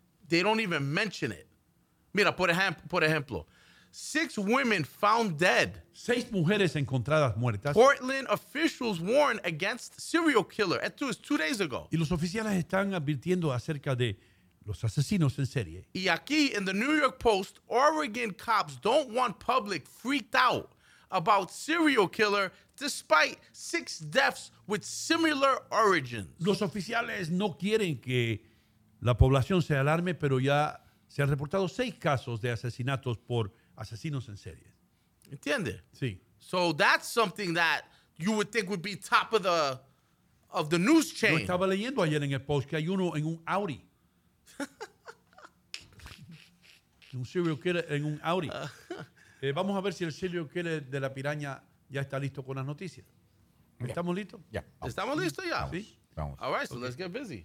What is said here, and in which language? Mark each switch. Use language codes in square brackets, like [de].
[en] they don't even mention it. [es] Mira, por ejemplo, [en] 6 women found dead. [es] 6 mujeres encontradas muertas. [en] Portland officials warn against serial killer. [es] Esto es 2 [en] days ago. [es] Y los oficiales están advirtiendo acerca de los asesinos en serie. Y aquí en [en] the New York Post, Oregon cops don't want public freaked out about serial killer despite 6 deaths with similar origins. [es] Los oficiales no quieren que la población se alarme, pero ya se han reportado 6 casos de asesinatos por asesinos en serie. ¿Entiende? Sí. [en] So that's something that you would think would be top of the news chain. [es] Yo estaba leyendo ayer en el Post que hay uno en un Audi. Un serial killer en un Audi. Vamos a ver si el serial killer de la piraña ya está listo con las noticias. ¿Estamos listos? Ya. [en] Yeah. [es] ¿Estamos listos ya? Sí. Vamos. [en] All right, so let's get busy.